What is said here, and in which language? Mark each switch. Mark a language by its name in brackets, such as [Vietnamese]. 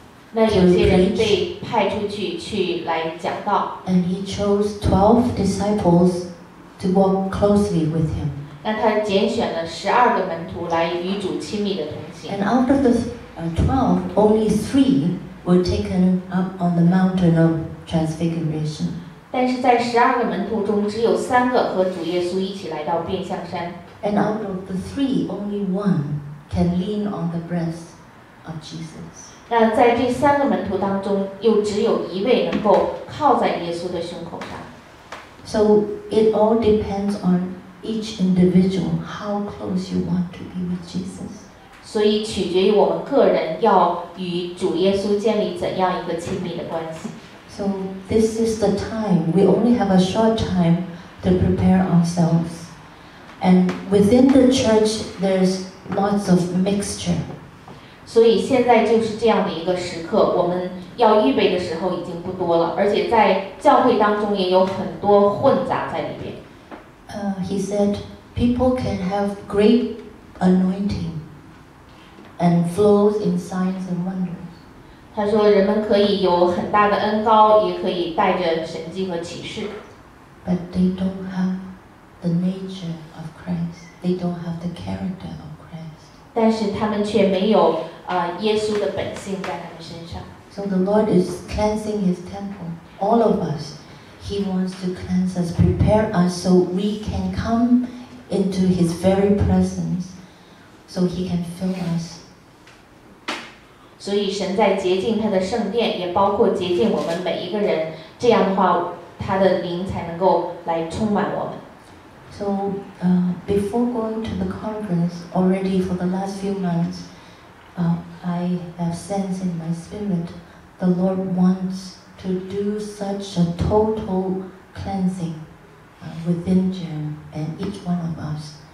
[Chinese] 那有些人被派出去去来讲道。 [English] And he chose 12 disciples to walk closely with him. [Chinese] 那他拣选了十二个门徒来与主亲密的同行。 [English] And out of the 12, only 3 were taken up on the mountain of Transfiguration. [Chinese] 但是在十二个门徒中，只有三个和主耶稣一起来到变相山。 [English] And out of the 3, only 1 can lean on the breast of Jesus. [Chinese] 那在这三个门徒当中，又只有一位能够靠在耶稣的胸口上。 [English] So it all depends on each individual how close you want to be with Jesus. [Chinese] 所以取决于我们个人要与主耶稣建立怎样一个亲密的关系。 [English] So this is the time, we only have a short time to prepare ourselves. And within the church, there's lots of mixture. [Chinese] 所以现在就是这样的一个时刻，我们要预备的时候已经不多了，而且在教会当中也有很多混杂在里面。 [English] He said, people can have great anointing and flows in signs and wonders. [Chinese] 他说人们可以有很大的恩膏，也可以带着神迹和启示。 [English] But they don't have the nature of Christ. They don't have the character of Christ. [Chinese] 但是他们却没有耶稣的本性在他们身上。 [English] So the Lord is cleansing his temple. All of us, he wants to cleanse us, prepare us so we can come into his very presence, so he can fill us. [Chinese] 所以神在洁净他的圣殿，也包括洁净我们每一个人。这样的话，他的灵才能够来充满我们。 [English] So, before going to the conference, already for the last few months, I have sensed in my spirit the Lord wants to do such a total cleansing within Jim and each one of us.